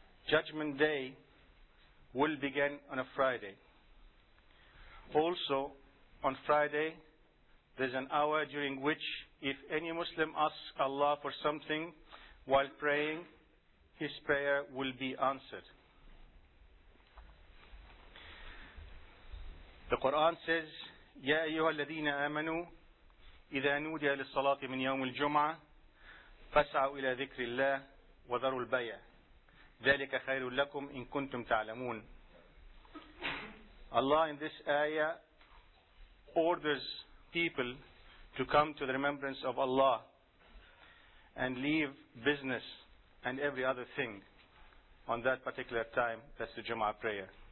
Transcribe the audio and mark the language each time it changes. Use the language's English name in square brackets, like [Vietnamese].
[English] Judgment Day will begin on a Friday. Also, on Friday, there's an hour during which if any Muslim asks Allah for something while praying, his prayer will be answered. The Quran says, [Arabic] يَا أَيُّهَا الَّذِينَ آمَنُوا إِذَا نُودِيَ لِلصَّلَاةِ مِنْ يَوْمِ الْجُمْعَةِ فَاسْعَوْا إِلَى ذِكْرِ اللَّهِ وَذَرُوا الْبَيْعَ ذَلِكَ خَيْرٌ لَكُمْ إِن كُنْتُمْ تَعْلَمُونَ. [English] Allah in this ayah orders people to come to the remembrance of Allah and leave business and every other thing on that particular time, that's the Jum'ah prayer.